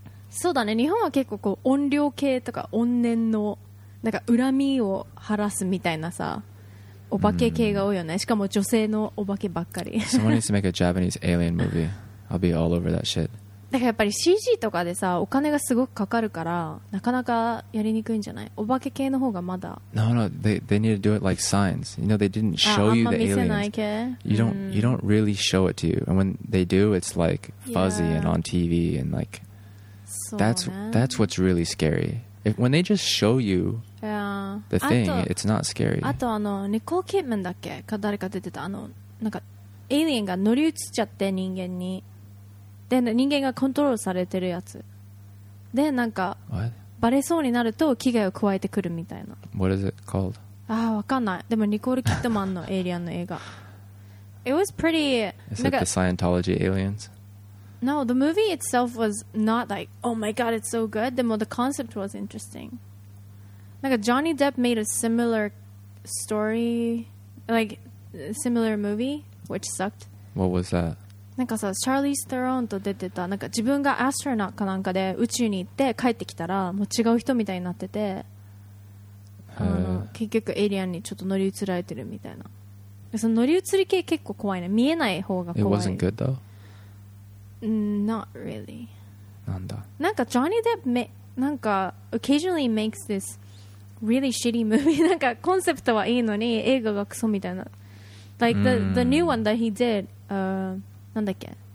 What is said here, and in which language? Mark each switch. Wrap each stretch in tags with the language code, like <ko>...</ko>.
<ja>そうだね日本は結構こう怨霊系とか怨念のなんか恨みを晴らすみたいなさお化け系が多いよね、mm. しかも女性のお化けばっかり</ja> <en>Someone needs to make a Japanese alien movieI'll be all over that shit.</en> <ja>だからやっぱり CG とかでさお金がすごくかかるからなかなかやりにくいんじゃない？お化け系の方がまだ。</ja> <en>No, no. They need to do it like Signs. You know, they didn't show you the aliens.</en> <ja>あんま見せない系。</ja> <en>You don't really show it to you. And when they do, it's like fuzzy、yeah. and on TV and like that's what's really scary. If when they just show you、 yeah. the thing, it's not scary.</en> <ja>あとあのニコーキッメンだっけか誰か出てたあのなんか。エイリアンが乗り移っちゃって人間にで人間がコントロールされてるやつでなんか、</ja> <en>What?</en> <ja>バレそうになると危害を加えてくるみたいな</ja> <en>What is it called?</en> <ja>あー分かんないでもニコール・キッドマンのエイリアンの映画</ja> <en>It was pretty Is it the Scientology aliens? No, the movie itself was not like Oh my god, it's so good でも the concept was interesting なんか Johnny Depp made a similar story Like similar movieWhich sucked. What was that?</en> <ja>なんかさ、Charlize Theron と出てた、なんか自分がアストロナットかなんかで宇宙に行って帰ってきたら、もう違う人みたいになってて、結局エイリアンにちょっと乗り移られてるみたいな。その乗り移り系結構怖いね。見えない方が怖い。</ja> <en>It wasn't good though? Not really.</en> <ja>なんだ。</ja> <en>なんか Johnny Depp なんか occasionally makes this really shitty movie.</en> <ja>なんかコンセプトはいいのに映画がクソみたいな。</ja> <en>Like the new one that he did,</en> <ja>なんだっけ?</ja>